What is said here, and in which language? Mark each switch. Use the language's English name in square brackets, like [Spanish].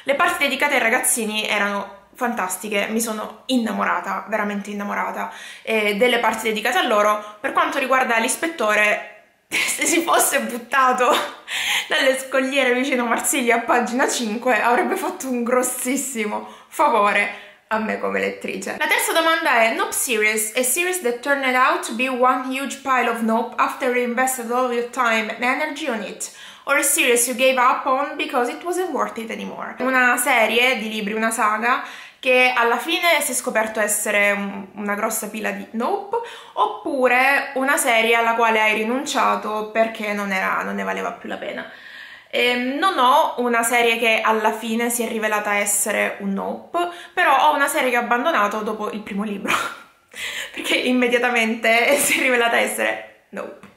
[Italian] Le parti dedicate ai ragazzini erano fantastiche, mi sono innamorata, veramente innamorata, delle parti dedicate a loro. Per quanto riguarda l'ispettore, se si fosse buttato dalle scogliere vicino a Marsiglia a pagina 5, avrebbe fatto un grossissimo favore a me come lettrice. [English] La terza domanda è: Nope series, a series that turned out to be one huge pile of nope after you invested all your time and energy on it, or a series you gave up on because it wasn't worth it anymore? [Italian] Una serie di libri, una saga che alla fine si è scoperto essere una grossa pila di nope, oppure una serie alla quale hai rinunciato perché non ne valeva più la pena. Non ho una serie che alla fine si è rivelata essere un nope, però ho una serie che ho abbandonato dopo il primo libro, perché immediatamente si è rivelata essere nope.